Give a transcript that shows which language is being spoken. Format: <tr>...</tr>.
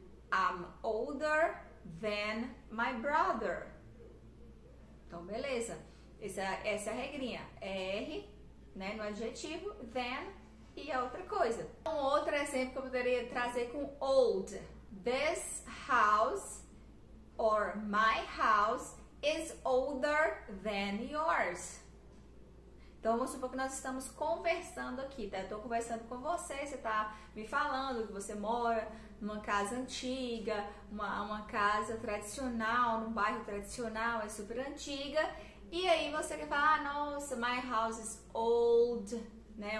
<en>I'm older than my brother.</en> <pt>Então, beleza. Essa é a regrinha. Er, né, no adjetivo, than e a outra coisa. Um outro exemplo que eu poderia trazer com old.</pt> <en>This house or my house is older than yours.</en> <pt>Então, vamos supor que nós estamos conversando aqui, tá? Eu tô conversando com você, você tá me falando que você mora numa casa antiga, uma casa tradicional, num bairro tradicional, é super antiga. E aí você quer falar, ah, nossa,</pt> <en>my house is old,</en> <pt>né?</pt>